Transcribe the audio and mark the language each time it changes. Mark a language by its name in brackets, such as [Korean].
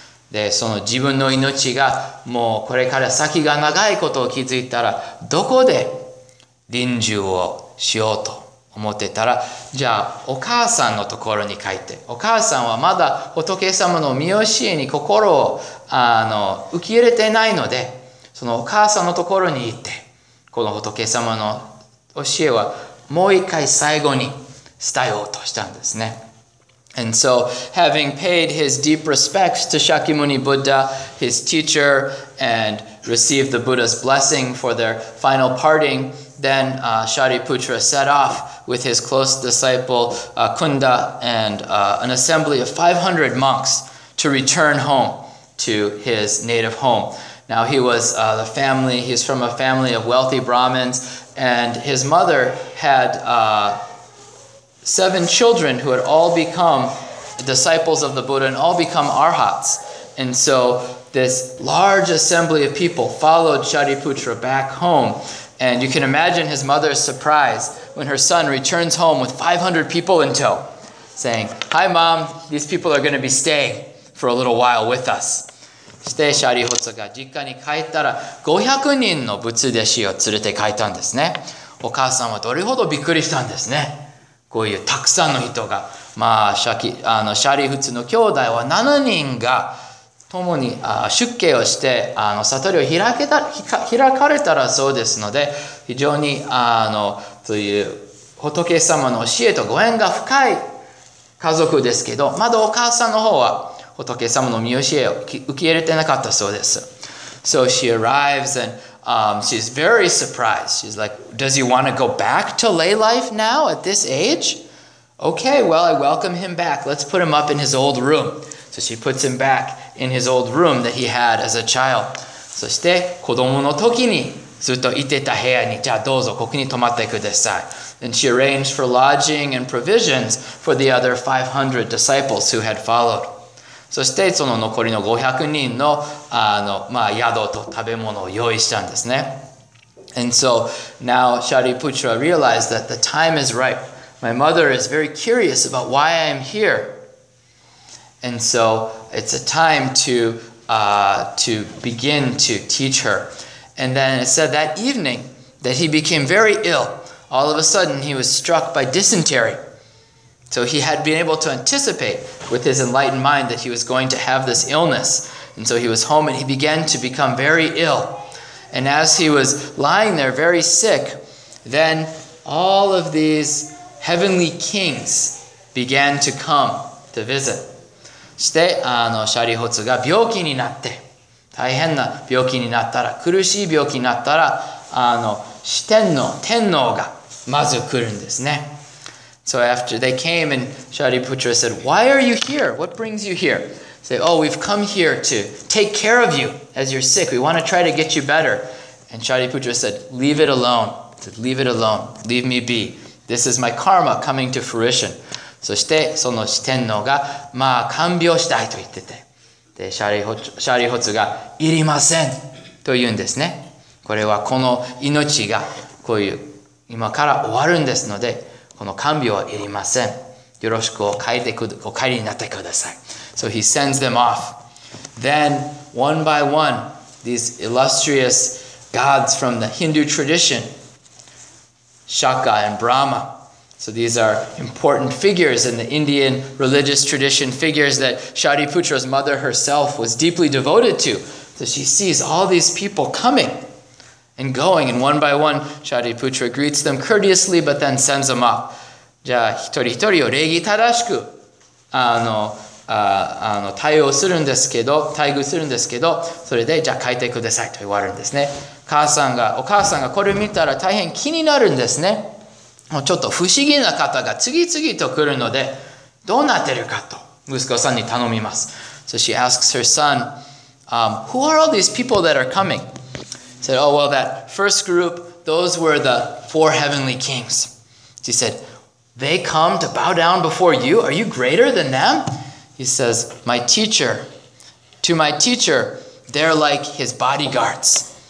[Japanese] でその自分の命がもうこれから先が長いことを気づいたら、どこで臨終をしようと思ってたら、じゃあお母さんのところに帰って、お母さんはまだ仏様の身教えに心を受け入れてないので、そのお母さんのところに行って、この仏様の教えはもう一回最後に伝えようとしたんですね。 [English] And so having paid his deep respects to Shakyamuni Buddha, his teacher, and received the Buddha's blessing for their final parting, then Shariputra set off with his close disciple Kunda and an assembly of 500 monks to return home to his native home. Now he was he's from a family of wealthy Brahmins, and his mother had 7 children who had all become disciples of the Buddha and all become arhats. And so this large assembly of people followed Shariputra back home. And you can imagine his mother's surprise when her son returns home with 500 people in tow, saying, "Hi, Mom, these people are going to be staying for a little while with us." [Japanese] して、シャリホツが実家に帰ったら、500人の仏弟子を連れて帰ったんですね。お母さんはどれほどびっくりしたんですね。こういうたくさんの人が、まあ、シャリホツの兄弟は7人が、共に出家をして、悟りを開かれたらそうですので、非常にという仏様の教えとご縁が深い家族ですけど、まだお母さんの方は仏様の身教えを受け入れてなかったそうです。 [English] So she arrives and she's very surprised. She's like, "Does he want to go back to lay life now at this age? Okay, well, I welcome him back. Let's put him up in his old room." So she puts him backin his old room that he had as a child. [Japanese] そして子供の時にずっといてた部屋に、じゃあどうぞここに泊まってください。 [English] And she arranged for lodging and provisions for the other 500 disciples who had followed. [Japanese] そしてその残りの500人の宿と食べ物を用意したんですね。 [English] And so now Shariputra realized that the time is ripe. My mother is very curious about why I am here. And so it's a time to to begin to teach her. And then it said that evening that he became very ill. All of a sudden, he was struck by dysentery. So he had been able to anticipate with his enlightened mind that he was going to have this illness. And so he was home and he began to become very ill. And as he was lying there very sick, then all of these heavenly kings began to come to visit. [Japanese] して、シャリホツが病気になって、大変な病気になったら、苦しい病気になったら、四天王、天皇がまず来るんですね。 [English] So after they came and Shariputra said, why are you here? What brings you here? Say, oh, we've come here to take care of you as you're sick. We want to try to get you better. And Shariputra said, leave it alone. Said, leave it alone. Leave me be. This is my karma coming to fruition. [Japanese] そしてその四天王が、まあ看病したいと言ってて。で、シャリホツが、いりませんと言うんですね。これはこの命がこういう今から終わるんですので、この看病はいりません。よろしくお帰りになってください。 [English] So he sends them off. Then, one by one, these illustrious gods from the Hindu tradition, Shaka and Brahma. So these are important figures in the Indian religious tradition, figures that Shariputra's mother herself was deeply devoted to. So she sees all these people coming and going, and one by one, Shariputra greets them courteously, but then sends them off. [Japanese] じゃあ一人一人を礼儀正しく対応するんですけど、待遇するんですけど、それでじゃあ帰ってくださいと言われるんですね。お母さんがこれ見たら大変気になるんですね。ちょっと不思議な方が次々と来るので、どうなってるかと息子さんに頼みます。 [English] So she asks her son, who are all these people that are coming? Said, oh, well, that first group, those were the four heavenly kings. She said, they come to bow down before you? Are you greater than them? He says, to my teacher, they're like his bodyguards.